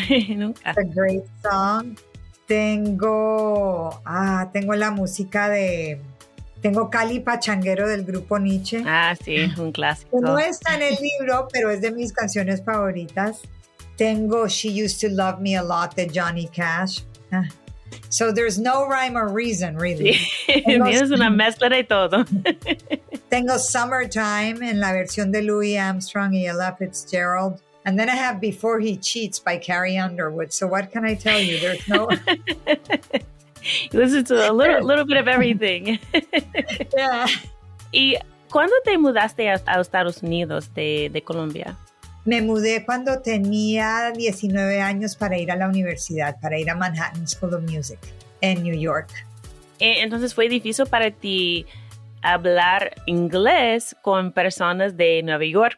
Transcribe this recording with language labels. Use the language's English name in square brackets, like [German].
[English] It's a great song. [Spanish] Tengo la música de... Tengo Cali Pachanguero del grupo Niche. Ah, sí, un clásico. No está en el libro, pero es de mis canciones favoritas. Tengo She Used to Love Me a Lot de Johnny Cash. [English] So there's no rhyme or reason, really. [Spanish] Sí, es una mezcla de todo. Tengo Summertime en la versión de Louis Armstrong y Ella Fitzgerald. [English] And then I have Before He Cheats by Carrie Underwood. So what can I tell you? There's no... You listen to a little bit of everything. Yeah. [Spanish] ¿Y cuándo te mudaste a Estados Unidos de Colombia? Me mudé cuando tenía 19 años para ir a la universidad, para ir a Manhattan School of Music en New York. Entonces, ¿fue difícil para ti hablar inglés con personas de Nueva York?